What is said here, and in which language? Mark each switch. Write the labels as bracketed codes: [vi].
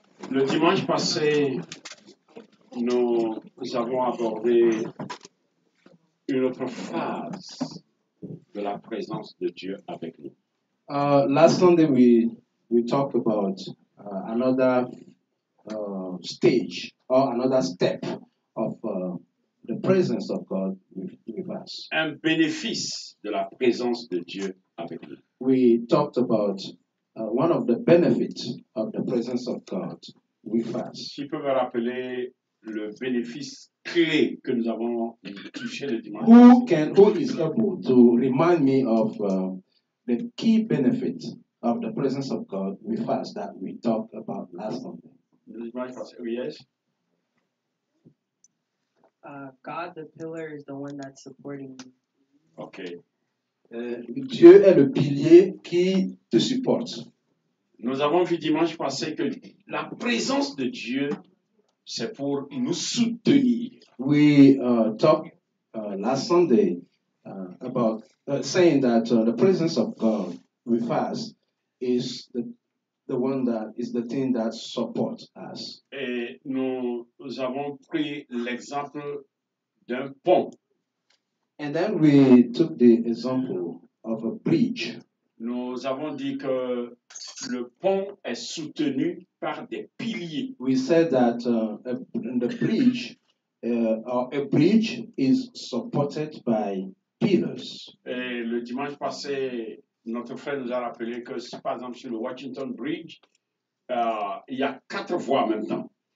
[fr] Le dimanche passé, nous avons abordé une autre phase de la présence de Dieu avec nous. [en] Last Sunday, we talked about another stage or another step of the presence of God with us. [fr] Un bénéfice de la présence de Dieu avec nous. [en] We talked about one of the benefits of the presence of God. [fr] Qui peut me rappeler le bénéfice clé que nous avons touché le dimanche? [en] Who is able to remind me of the key benefit of the presence of God with us that we talked about last Sunday? [fr] Le dimanche passé, yes. [en] God, the pillar, is the one that's supporting me. Okay. [fr] Dieu est le pilier qui te supporte. Nous avons vu dimanche passé que la présence de Dieu, c'est pour nous soutenir. [en] We talked last Sunday about saying that the presence of God with us is the one that is the thing that supports us. [fr] Et nous avons pris l'exemple d'un pont. [en] And then we took the example of a bridge. [fr] Nous avons dit que le pont est soutenu par des piliers. [en] We said that the bridge, a bridge is supported by pillars. [fr] Et le dimanche passé, notre frère nous a rappelé que, par exemple, sur le Washington Bridge, Il y a quatre voix en même temps.